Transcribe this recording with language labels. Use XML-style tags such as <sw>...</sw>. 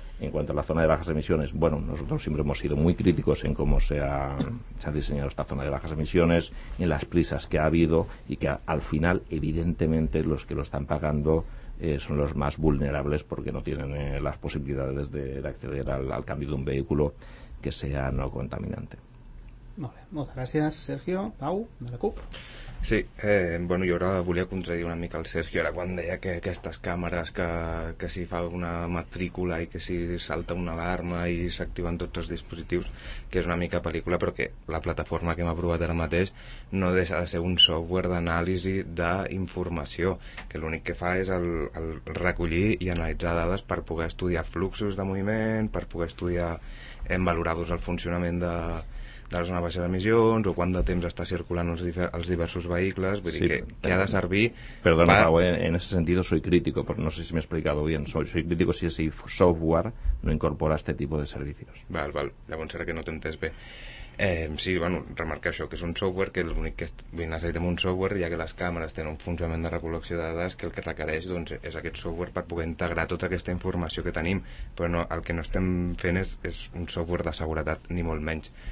<es>En cuanto a la zona de bajas emisiones, bueno, nosotros siempre hemos sido muy críticos en cómo se ha diseñado esta zona de bajas emisiones, en las prisas que ha habido, y que al final, evidentemente, los que lo están pagando son los más vulnerables porque no tienen las posibilidades de acceder al cambio de un vehículo que sea no contaminante.</es> <ca>Molt bé. Moltes gràcies, Sergio. Pau, de la CUP. Sí, bueno, jo ara volia contradir una mica el Sergio, ara quan deia que aquestes càmeres, que si fa una matrícula i que si salta una alarma i s'activen tots els dispositius, que és una mica pel·lícula, però que la plataforma que hem aprovat ara mateix no deixa de ser un software d'anàlisi d'informació, que l'únic que fa és el recollir i analitzar dades per poder estudiar fluxos de moviment, per poder estudiar en valorar-vos el funcionament de la zona baixa d'emissions o quant de temps està circulant els diversos vehicles. Vull dir, que ha de servir...</ca> <es>Perdona, Pau, en ese sentido soy crítico, pero no sé si me he explicado bien. Soy crítico si ese software no incorpora este tipo de servicios.</es> <ca>Val. Llavors serà que no t'he entès bé. Sí, bueno, remarca això, que és un software que l'únic que necessitem un software, ja que les càmeres tenen un funcionament de recol·lecció de dades, que el que requereix doncs, és aquest software per poder integrar tota aquesta informació que tenim. Però no, el que no estem fent és un software de seguretat, ni molt menys.</ca>